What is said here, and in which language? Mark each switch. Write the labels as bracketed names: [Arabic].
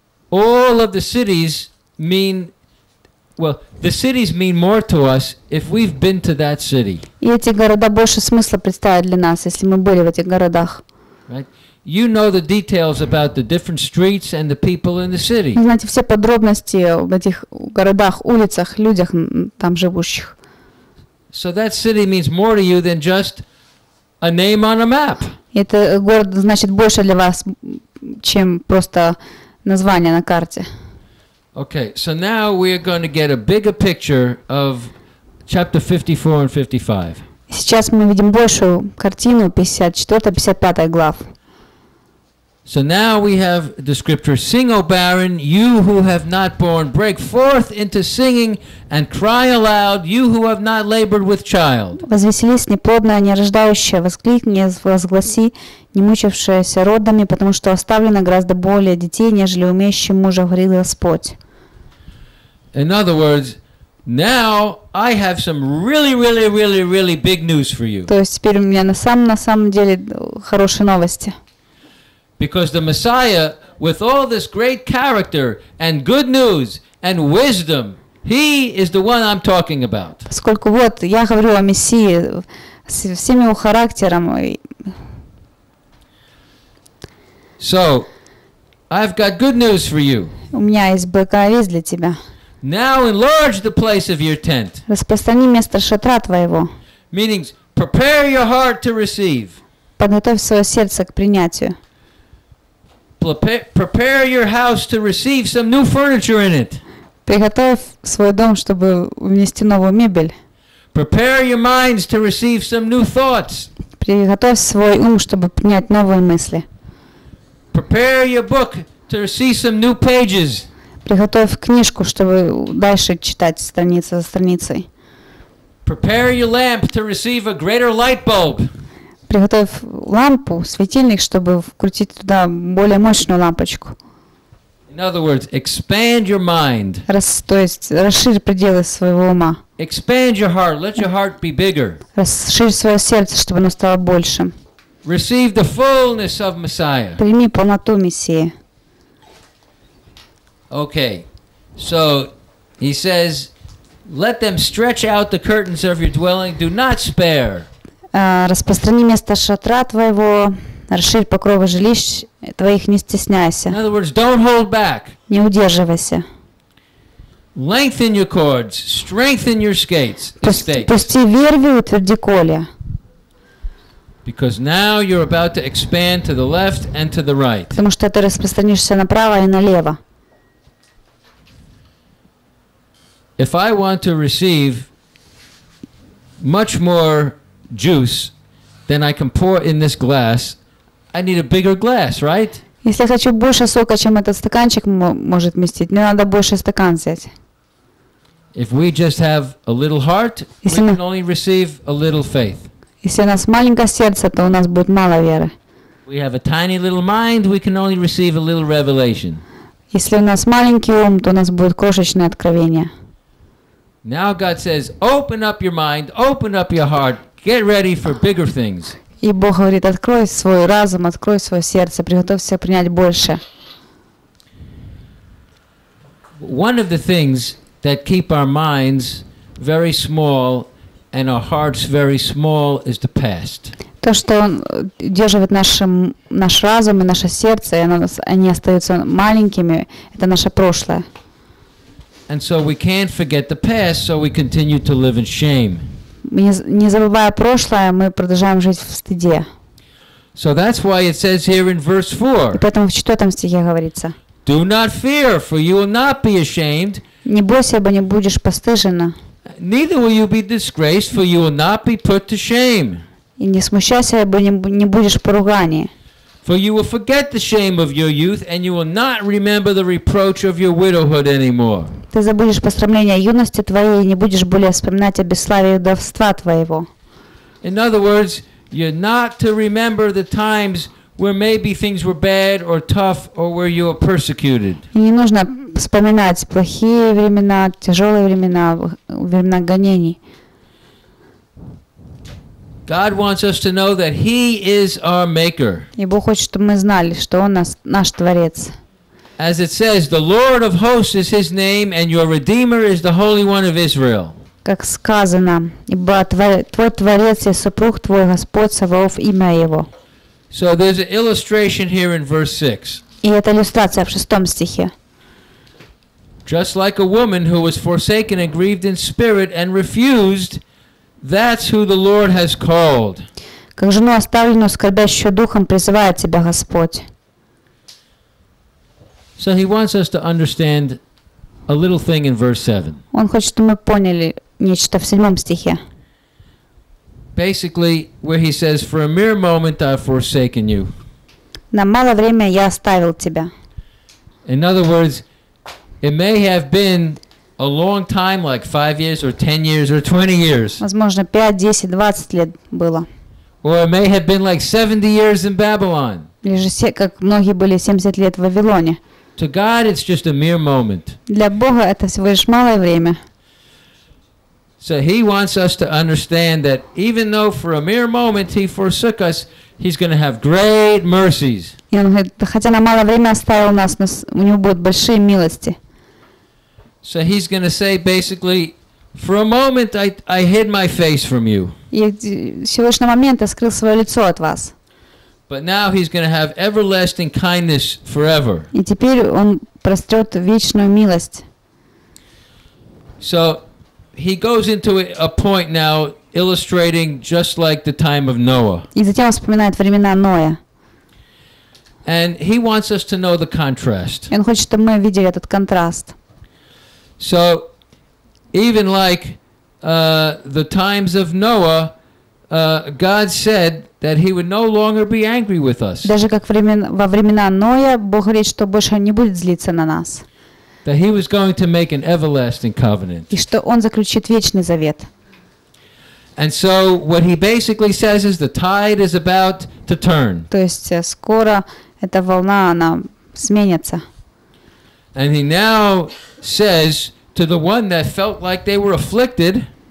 [English] all of the cities mean, well, the cities mean more to us if we've been to that city. [Russian] И эти города больше смысла представляют для нас, если мы были в этих городах. [English] Right? You know the details about the different streets and the people in the city. [Russian] Вы знаете все подробности об этих городах, улицах, людях там живущих. [English] So that city means more to you than just a name on a map. [Russian] Это город значит больше для вас, чем просто название на карте. [English] Okay, so now we are going to get a bigger picture of chapter 54 and 55. [Russian] Сейчас мы видим большую картину 54-55 глав. [English] So now we have the scripture, sing, O barren, you who have not born, break forth into singing and cry aloud, you who have not labored with child. [Russian] Возвеселись, неплодная, нерождающая, воскликни, возгласи, не мучившаяся родами, потому что оставлено гораздо более детей, нежели умеющим мужа, говорил Господь. [English] In other words, now I have some really, really, really, really big news for you. [Russian] То есть теперь у меня на самом деле хорошие новости. [English] Because the Messiah, with all this great character and good news and wisdom, he is the one I'm talking about. [Russian] Поскольку вот я говорю о Мессии с всем его характером. [English] So, I've got good news for you. [Russian] У меня есть благая весть для тебя. [English] Now enlarge the place of your tent. [Russian] Распространи место шатра твоего. [English] Meaning, prepare your heart to receive. [Russian] Подготовь свое сердце к принятию. [English] Prepare your house to receive some new furniture in it. [Russian] Приготовь свой дом, чтобы внести новую мебель. [English] Prepare your minds to receive some new thoughts. [Russian] Приготовь свой ум, чтобы принять новые мысли. [English] Prepare your book to receive some new pages. [Russian] Приготовь книжку, чтобы дальше читать страницу за страницей. [English] Prepare your lamp to receive a greater light bulb. [Russian] Приготовь лампу, светильник, чтобы вкрутить туда более мощную лампочку. [English] In other words, expand your mind. [Russian] То есть расширь пределы своего ума. [English] Expand your heart. Let your heart be bigger. [Russian] Расширь свое сердце, чтобы оно стало большим. [English] Receive the fullness of Messiah. [Russian] Прими полноту Мессии. [English] Okay, so he says, let them stretch out the curtains of your dwelling, do not spare. [Russian] Распространи место шатра твоего, расширь покровы жилищ твоих, не стесняйся. [English] In other words, don't hold back. [Russian] Не удерживайся. [English] Lengthen your cords, strengthen your skates. [Russian] Пусти верви, утверди колья. [English] Because now you're about to expand to the left and to the right. [Russian] Потому что ты распространишься направо и налево. [English] If I want to receive much more juice than I can pour in this glass, I need a bigger glass, right? [Russian] Если я хочу больше сока, чем этот стаканчик может вместить, мне надо больше стакан взять. [English] If we just have a little heart, we can only receive a little faith. [Russian] Если у нас маленькое сердце, то у нас будет мало веры. [English] We have a tiny little mind, we can only receive a little revelation. [Russian] Если у нас маленький ум, то у нас будет крошечное откровение. [English] Now God says, open up your mind, open up your heart, get ready for bigger things. [Russian] И Бог говорит, открой свой разум, открой свое сердце, приготовься принять больше. [English] One of the things that keep our minds very small and our hearts very small is the past. [Russian] То, что держит наш разум и наше сердце, они остаются маленькими, это наше прошлое. [English] And so we can't forget the past, so we continue to live in shame. [Russian] Не забывая прошлое, мы продолжаем жить в стыде. [English] So that's why it says here in verse 4. [Russian] И поэтому в 4 стихе говорится. [English] Do not fear, for you will not be ashamed. [Russian] Не бойся, ибо не будешь постыжена. [English] Neither will you be disgraced, for you will not be put to shame. [Russian] И не смущайся, ибо не будешь поругани. [English] For you will forget the shame of your youth, and you will not remember the reproach of your widowhood anymore. [Russian] Ты забудешь посрамление юности твоей, и не будешь более вспоминать о бесславии вдовства твоего. [English] In other words, you're not to remember the times where maybe things were bad or tough or where you were persecuted. [Russian] Не нужно вспоминать плохие времена, тяжелые времена, времена гонений. [English] God wants us to know that He is our Maker. [Russian] И Бог хочет, чтобы мы знали, что Он наш Творец. [English] As it says, the Lord of hosts is His name, and your Redeemer is the Holy One of Israel. [Russian] Как сказано, ибо твой Творец и супруг твой Господь Саваоф, имя Его. [English] So there's an illustration here in verse 6. [Russian] И это иллюстрация в 6 стихе. [English] Just like a woman who was forsaken and grieved in spirit and refused, that's who the Lord has called. [Russian] Как жену оставленную скорбящую духом призывает тебя Господь. [English] So he wants us to understand a little thing in verse 7. [Russian] Он хочет, чтобы мы поняли нечто в 7 стихе. [English] Basically, where he says, for a mere moment I've forsaken you. [Russian] на малое время я оставил тебя. [English] In other words, it may have been a long time, like 5 years or 10 years or 20 years. [Russian] Возможно, 5, 10, 20 лет было. [English] Or it may have been like 70 years in Babylon. [Russian] Или же все, как многие были 70 лет в Вавилоне. [English] To God, it's just a mere moment. [Russian] Для Бога это всего лишь малое время. [English] So He wants us to understand that even though for a mere moment He forsook us, He's going to have great mercies. [Russian] Хотя на малое время оставил нас, у него будут большие милости. [English] So He's going to say basically, for a moment I hid my face from you. [Russian] Всего лишь на момент я скрыл свое лицо от вас. [English] But now He's going to have everlasting kindness forever. [Russian] И теперь он прострет вечную милость. [English] So He goes into a point now, illustrating just like the time of Noah. [Russian] И затем вспоминает времена Ноя. [English] And he wants us to know the contrast. [Russian] Он хочет, чтобы мы видели этот контраст. [English] So, even like the times of Noah, God said that He would no longer be angry with us. [Russian] Даже как во времена Ноя Бог говорит, что больше не будет злиться на нас. [English] That He was going to make an everlasting covenant. [Russian] И что Он заключит вечный завет. [English] And so what He basically says is the tide is about to turn. [Russian] То есть скоро эта волна она сменится. [English] And He now says to the one that felt like they were afflicted.